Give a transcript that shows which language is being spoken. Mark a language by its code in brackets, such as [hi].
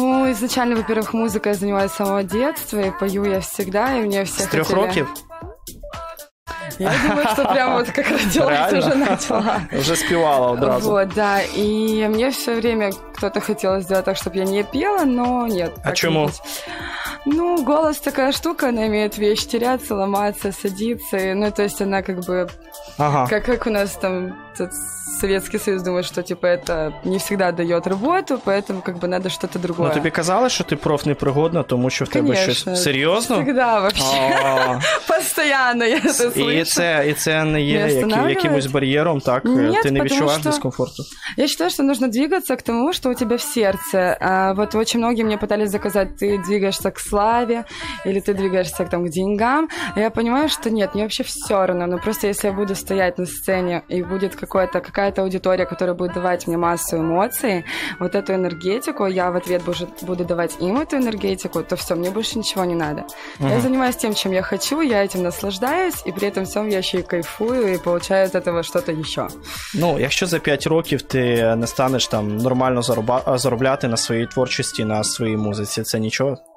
[uk] Ізначально, во-первых, музика я займаюся з самого дитинства, і пою я завжди, і мені всі з трьох років? Я думаю, що прямо от як родилась, вже почала. Вже співала одразу. [ru] Вот, да. [uk] І мені все время хтось хотів зробити так, щоб я не пела, [ru] но нет. [uk] А чому? [ru] Голос такая штука, она имеет вещь теряться, ломаться, садиться. Она как бы... Ага. Как у нас там тут Советский Союз думает, что типа это не всегда дает работу, поэтому как бы надо что-то другое. [uk] Тебе казалось, что ты профнепригодна, тому что в тебе что-то... [ru] Серьезно? Всегда вообще. Постоянно я это слышу. И это не является каким-нибудь барьером, так? Нет, ты не чувствуешь дискомфорта? Я считаю, что нужно двигаться к тому, что у тебя в сердце. Вот очень многие мне пытались заказать, ты двигаешься к славе, или ты двигаешься там, к деньгам. Я понимаю, что нет, мне вообще все равно. Но просто если я буду стоять на сцене, и будет какая-то аудитория, которая будет давать мне массу эмоций, вот эту энергетику, я в ответ буду давать им эту энергетику, то все, мне больше ничего не надо. Я занимаюсь тем, чем я хочу, я этим наслаждаюсь, и при этом всем я еще и кайфую, и получаю от этого что-то еще. [uk] Якщо за 5 років ти не станеш там нормально заробляти на своїй творчості, на своїй музиці, це нічого?